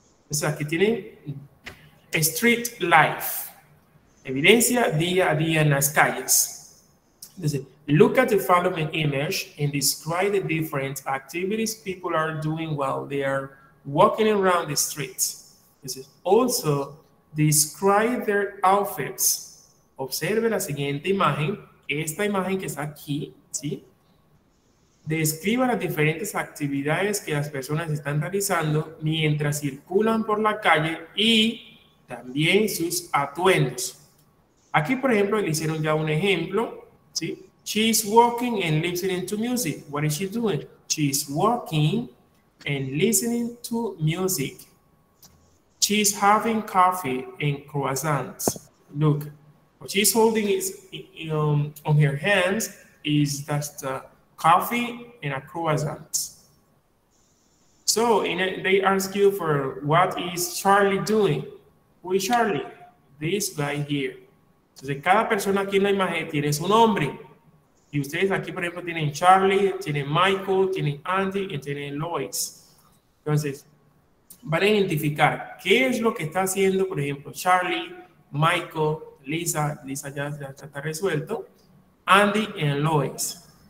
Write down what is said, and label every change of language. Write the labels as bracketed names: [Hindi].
[English] It's like it's a street life. [Spanish] Evidencia día a día en las calles. [English] Entonces, look at the following image and describe the different activities people are doing while they are walking around the streets. This is also describe their outfits. [Spanish] Observe la siguiente imagen, esta imagen que está aquí, ¿sí? Describa las diferentes actividades que las personas están realizando mientras circulan por la calle y también sus atuendos. Aquí, por ejemplo, le hicieron ya un ejemplo, ¿sí? [English] She's walking and listening to music. What is she doing? She's walking and listening to music. She's having coffee and croissants. Look, what she's holding is on her hands is just a coffee and a croissant. So they ask you for what is Charlie doing? Who is Charlie? This guy here. [Spanish] Entonces, cada persona aquí en la imagen tiene su nombre. Y ustedes aquí, por ejemplo, tienen Charlie, tienen Michael, tienen Andy y tienen Lois. Entonces, van a identificar qué es lo que está haciendo, por ejemplo, Charlie, Michael, Lisa ya está resuelto, Andy y Lois.